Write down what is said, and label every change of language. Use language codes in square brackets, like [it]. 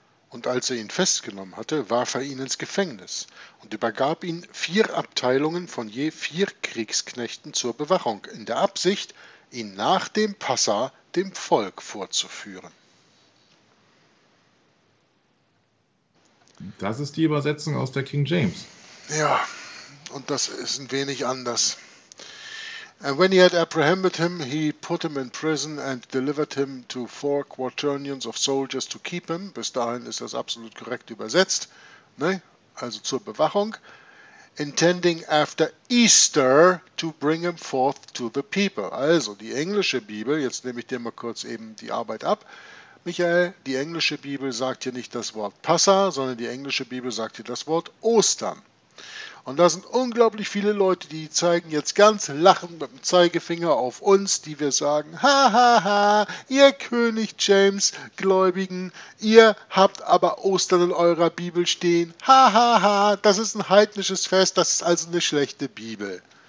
[de] Und als er ihn festgenommen hatte, warf er ihn ins Gefängnis und übergab ihn 4 Abteilungen von je 4 Kriegsknechten zur Bewachung, in der Absicht, ihn nach dem Passa dem Volk vorzuführen. Das ist die Übersetzung aus der King James. Ja, und das ist ein wenig anders. [en] And when he had apprehended him, he put him in prison and delivered him to 4 quaternions of soldiers to keep him. [de] Bis dahin ist das absolut korrekt übersetzt. Ne? Also zur Bewachung. [en] Intending after Easter to bring him forth to the people. [de] Also die englische Bibel, jetzt nehme ich dir mal kurz eben die Arbeit ab. Michael, die englische Bibel sagt hier nicht das Wort Passa, sondern die englische Bibel sagt hier das Wort Ostern. Und da sind unglaublich viele Leute, die zeigen jetzt ganz lachend mit dem Zeigefinger auf uns, die wir sagen, ha ha ha, ihr König James Gläubigen, ihr habt aber Ostern in eurer Bibel stehen, ha ha ha, das ist ein heidnisches Fest, das ist also eine schlechte Bibel.